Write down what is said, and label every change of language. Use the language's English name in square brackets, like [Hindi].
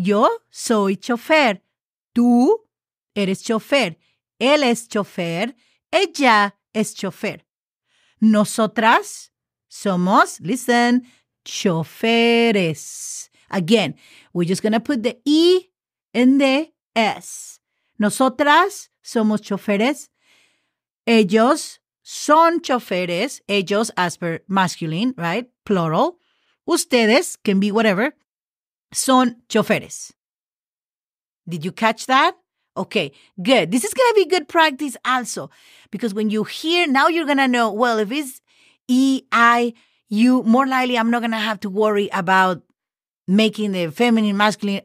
[Spanish] Yo soy chofer. Tú eres chofer. Él es chofer. Ella es chofer. Nosotras somos, listen, choferes. [English] Again, we're just going to put the E in the S. [Spanish] Nosotras somos choferes. Ellos son choferes. [English] Ellos as per masculine, right? Plural. Ustedes can be whatever. [Spanish] Son choferes. [English] Did you catch that? Okay, good. This is going to be good practice also. Because when you hear, now you're going to know, well, if it's E-I-U, more likely I'm not going to have to worry about making the feminine, masculine.